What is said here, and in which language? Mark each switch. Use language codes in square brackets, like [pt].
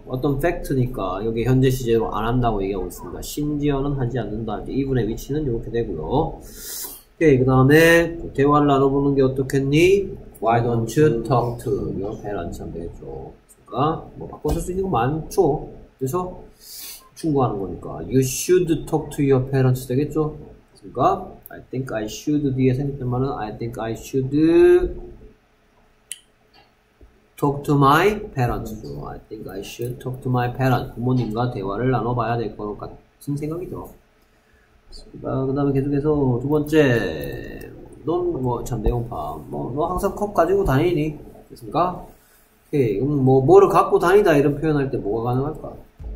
[ko] 어떤 팩트니까 여기 현재 시제로 안 한다고 얘기하고 있습니다. 심지어는 하지 않는다. even의 위치는 이렇게 되고요. 오케이, 그 다음에 대화를 나눠보는 게 어떻겠니? [en] Why don't you talk to your parents? [ko] 되겠죠. 그러니까 뭐 바꿔 쓸 수 있는 거 많죠. 그래서 충고하는 거니까 [en] You should talk to your parents [ko] 되겠죠. 그러니까 [en] I think I should [ko] 뒤에 생각되면 [en] I think I should talk to my parents. So I think I should talk to my parents. [ko] 부모님과 대화를 나눠봐야 될 것 같은 생각이 들어. 그 다음에 계속해서 두 번째. 넌 뭐 참 내용 봐. 뭐 너 항상 컵 가지고 다니니? 됐습니까? 오케이. 그럼 뭐 뭐를 갖고 다니다 이런 표현할 때 뭐가 가능할까?